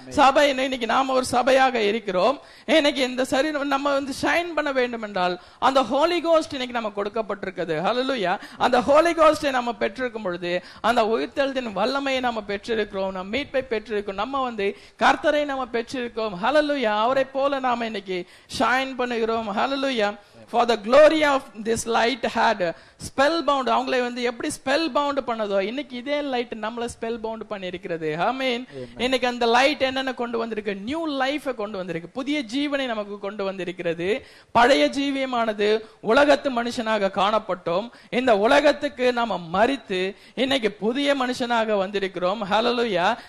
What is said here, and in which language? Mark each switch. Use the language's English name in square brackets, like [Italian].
[Tamil] சபை இன்னைக்கு நாம ஒரு சபையாக இருக்கிறோம். இன்னைக்கு இந்த சரீரம் நம்ம வந்து ஷைன் பண்ண வேண்டும் என்றால் அந்த ஹோலி கோஸ்ட் இன்னைக்கு நமக்கு கொடுக்கப்பட்டிருக்கிறது. ஹல்லேலூயா. அந்த ஹோலி நம்ம பெற்றிருக்கும் பொழுது அந்த உயிர்த்தெழுதின் வல்லமையை நாம பெற்றிருக்கிறோம். நம்ம மீட்பை பெற்றிருக்கோம். நம்ம வந்து கர்த்தரை நாம பெற்றிருக்கோம். ஹல்லேலூயா. அவரை போல நாம இன்னைக்கு ஷைன் பண்ணுகிறோம். ஹல்லேலூயா. [English] For the glory of this light had spellbound. [Tamil] அவங்களை வந்து எப்படி ஸ்பெல் பவுண்ட் பண்ணதோ இன்னைக்கு இதே லைட் நம்மளை ஸ்பெல் பவுண்ட் பண்ணிருக்கிறது. ஆமென். இன்னைக்கு அந்த லைட் என்னென்ன கொண்டு வந்திருக்கு, நியூ லைஃபை கொண்டு வந்திருக்கு. புதிய ஜீவனை நமக்கு கொண்டு வந்திருக்கிறது. பழைய ஜீவியமானது உலகத்து மனுஷனாக காணப்பட்டோம். இந்த உலகத்துக்கு நம்ம மரித்து இன்னைக்கு புதிய மனுஷனாக வந்திருக்கிறோம். ஹல்லேலூயா.